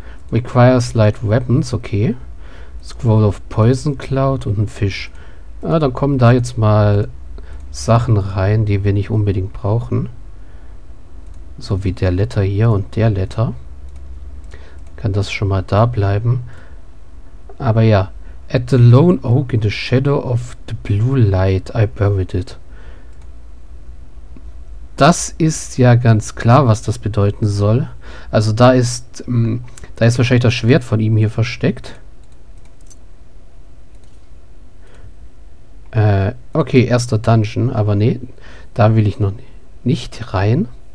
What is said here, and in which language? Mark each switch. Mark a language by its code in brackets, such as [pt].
[en] Requires light weapons, okay. [de] Scroll of Poison Cloud und ein Fisch. Ah, dann kommen da jetzt mal Sachen rein, die wir nicht unbedingt brauchen. So wie der Letter hier und der Letter. Kann das schon mal da bleiben. Aber ja. [en] At the lone oak in the shadow of the blue light, I buried it. [de] Das ist ja ganz klar, was das bedeuten soll. Also da ist wahrscheinlich das Schwert von ihm hier versteckt. Okay, erster Dungeon, aber nee, da will ich noch nicht rein.